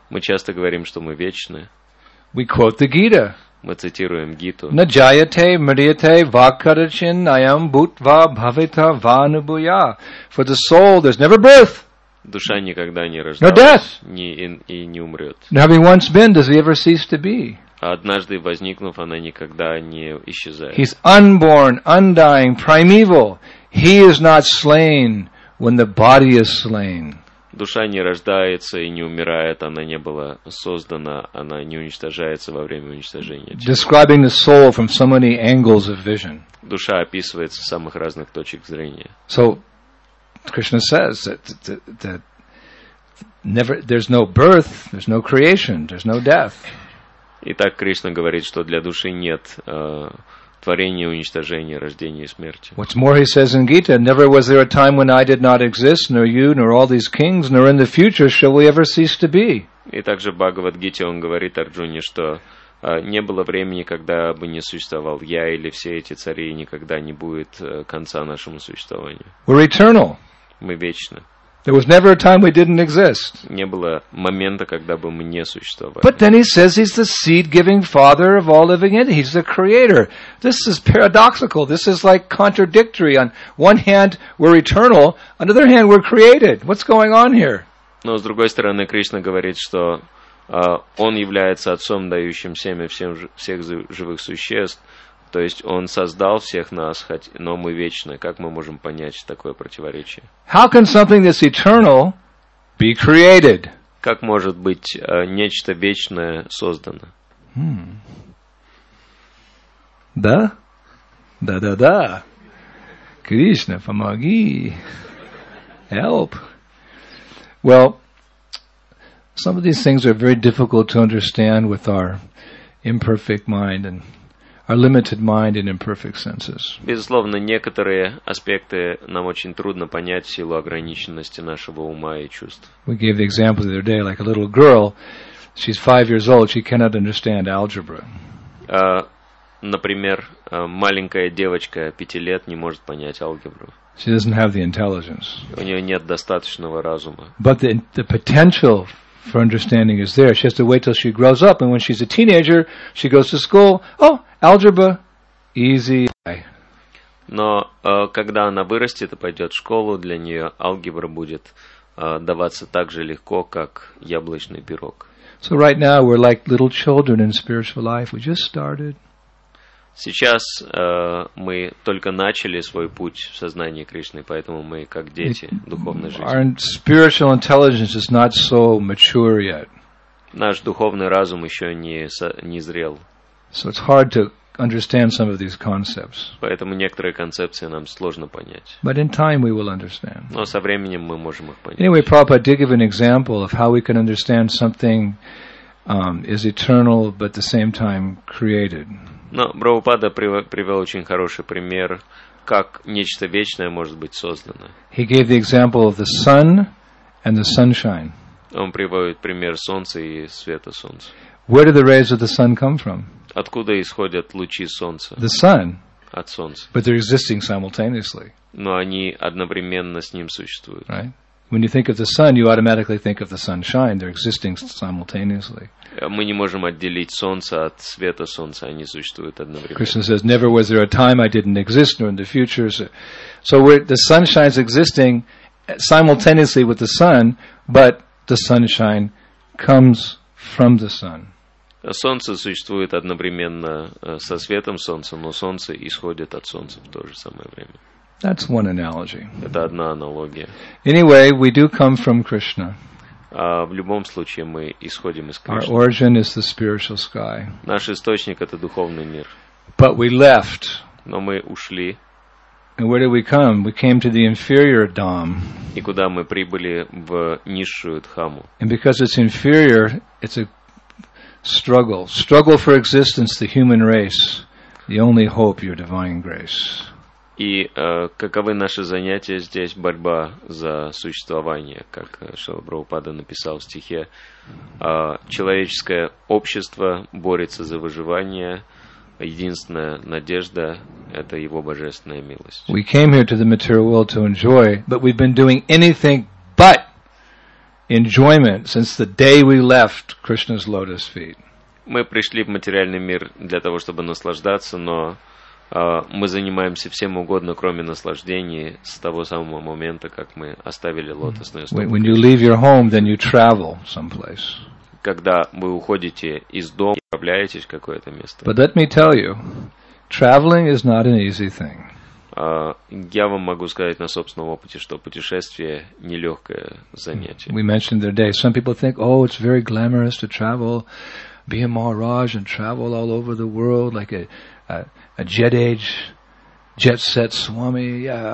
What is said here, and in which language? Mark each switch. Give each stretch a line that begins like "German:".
Russian: Мы часто говорим, что мы вечны.
English: We quote the Gita.
Russian: Мы цитируем Гиту.
Sanskrit: Najayate mriyate vakarachin ayam bhutva bhavita vanubhuya.
English: For the soul, there's never birth.
Russian: Душа никогда не рождалась, не умрет.
English: Having once been, does he ever cease to be?
Russian: Однажды возникнув, она никогда не исчезает.
English: He's unborn, undying, primeval. He is not slain when the body is slain.
Russian: Душа не рождается и не умирает, она не была создана, она не уничтожается во время уничтожения.
English: Describing the soul from so many angles of vision.
Russian: Душа описывается с самых разных точек зрения.
English: So Krishna says that never there's no birth, there's no creation, there's no death.
Russian: Итак, Кришна говорит, что для души нет творения, уничтожения, рождения и смерти.
English: What's more, he says in Gita, never was there a time when I did not exist, nor you, nor all these kings, nor in the future shall we ever cease to be.
Russian: И также Бхагавад-гите он говорит Арджуне, что не было времени, когда бы не существовал я или все эти цари, и никогда не будет конца нашему существованию.
English: We're eternal.
Russian: Мы вечны.
English: There was never a time we didn't exist.
Russian: Не было момента, когда бы мы не существовали.
English: But then he says he's the seed-giving father of all living entities. He's the creator. This is paradoxical. This is like contradictory. On one hand, we're eternal. On the other hand, we're created. What's going on here?
Russian: Но с другой стороны, Кришна говорит, что он является отцом, дающим семя всем всех живых существ. То есть он создал всех нас, хоть, но мы вечны. Как мы можем понять такое противоречие?
English: How can something that's eternal be created?
Russian: Как может быть нечто вечное создано? Да? Да-да-да. Кришна, помоги.
English: Help. Well, some of these things are very difficult to understand with our imperfect mind and our limited mind and imperfect senses.
Russian: Безусловно, некоторые аспекты нам очень трудно понять в силу ограниченности нашего ума и чувств.
English: We gave the example the other day, like a little girl, she's 5 years old, she cannot understand algebra.
Russian: Например, маленькая девочка 5 лет не может понять алгебру.
English: She doesn't have the intelligence.
Russian: У нее нет достаточного разума.
English: But the potential for understanding is there. She has to wait till she grows up, and when she's a teenager, she goes to school. Oh, algebra, easy.
Russian: Но когда она вырастет и пойдет в школу, для нее алгебра будет даваться так же легко, как яблочный пирог.
English: So right now we're like little children in spiritual life. We just started.
Russian: Сейчас мы только начали свой путь в сознании Кришны, поэтому мы как дети духовной жизни.
English: Our spiritual intelligence is not so mature yet.
Russian: Наш духовный разум еще не зрел.
English: So it's hard to understand some of these concepts.
Russian: Поэтому некоторые концепции нам сложно понять.
English: But in time we will understand.
Russian: Но со временем мы можем их понять.
English: Anyway, Prabhupada did give an example of how we can understand something is eternal, but at the same time created.
Russian: Но Прабхупада привел очень хороший пример, как нечто вечное может быть создано.
English: He gave the example of the sun and the sunshine.
Russian: Он приводит пример солнца и света солнца.
English: Where do the rays of the sun come from?
Russian: Откуда исходят лучи солнца?
English: The sun.
Russian: От солнца.
English: But they're existing simultaneously. Но они одновременно с ним существуют. Right? When you think of the sun, you automatically think of the sunshine. They're existing simultaneously.
Russian: Мы не можем отделить солнце от света солнца. Они существуют одновременно.
English: Krishna says, "Never was there a time I didn't exist, nor in the future." So where the sunshine is existing simultaneously with the sun, but the sunshine comes from the sun.
Russian: Солнце существует одновременно со светом солнца, но солнце исходит от солнца в то же самое время.
English: That's one analogy.
Russian: Это одна аналогия.
English: Anyway, we do come from Krishna.
Russian: В любом случае мы исходим из Кришны.
English: Our origin is the spiritual sky.
Russian: Наш источник это духовный мир.
English: But we left.
Russian: Но мы ушли.
English: And where did we come? We came to the inferior dham.
Russian: И куда мы прибыли? В низшую дхаму.
English: And because it's inferior, it's a struggle. Struggle for existence, the human race. The only hope, your divine grace.
Russian: И каковы наши занятия здесь? Борьба за существование, как Шрила Прабхупада написал в стихе. Человеческое общество борется за выживание. Единственная надежда – это его божественная милость.
English: We came here to the material world to enjoy, but we've been doing anything but enjoyment since the day we left Krishna's lotus feet.
Russian: Мы пришли в материальный мир для того, чтобы наслаждаться, но мы занимаемся всем угодно, кроме наслаждений, с того самого момента, как мы оставили лотосные стопы.
English: When you leave your home, then you travel someplace.
Russian: Когда вы уходите из дома, отправляетесь в какое-то место.
English: But let me tell you, traveling is not an easy thing.
Russian: Я вам могу сказать на собственном опыте, что путешествие нелегкое занятие.
English: We mentioned the day. Some people think, oh, it's very glamorous to travel, be a Maharaj and travel all over the world like a jet age, jet set swami.